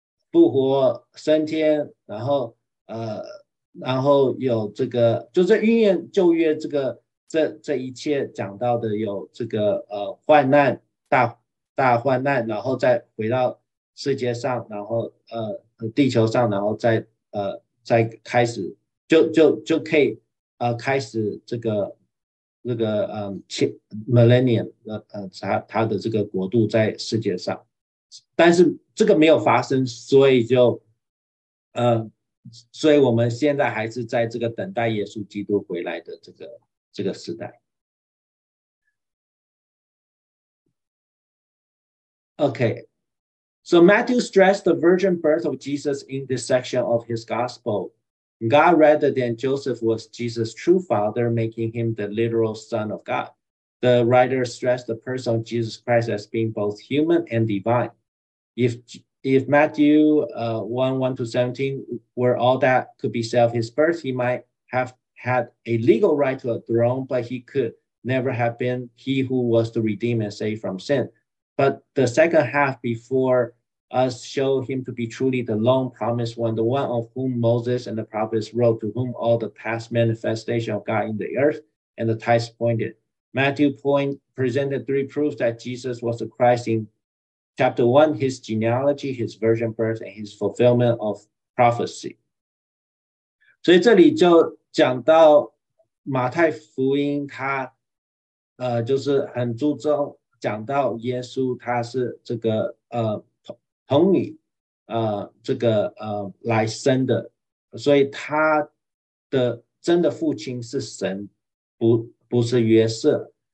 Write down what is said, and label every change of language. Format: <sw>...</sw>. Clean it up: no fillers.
<zh>复活升天，然后有这个就是应验旧约这一切讲到的，有这个患难大患难，然后再回到世界上，然后地球上，然后再开始就可以开始这个millennium 他的这个国度在世界上，但是这个没有发生，所以就所以我们现在还是在这个等待耶稣基督回来的这个时代。</zh> <en>Okay, so Matthew stressed the virgin birth of Jesus in this section of his gospel. God rather than Joseph was Jesus' true father, making him the literal son of God. The writer stressed the person of Jesus Christ as being both human and divine. If Matthew 1:1-17 were all that could be said of his birth, he might have had a legal right to a throne, but he could never have been he who was to redeem and save from sin. But the second half before us show him to be truly the long promised one, the one of whom Moses and the prophets wrote, to whom all the past manifestation of God in the earth and the types pointed. Matthew presented three proofs that Jesus was the Christ in chapter one, his genealogy, his virgin birth, and his fulfillment of prophecy.</en> <zh>所以这里就讲到马太福音他就是很注重讲到耶稣他是这个童女这个来生的，所以他的真的父亲是神，不是约瑟。</zh>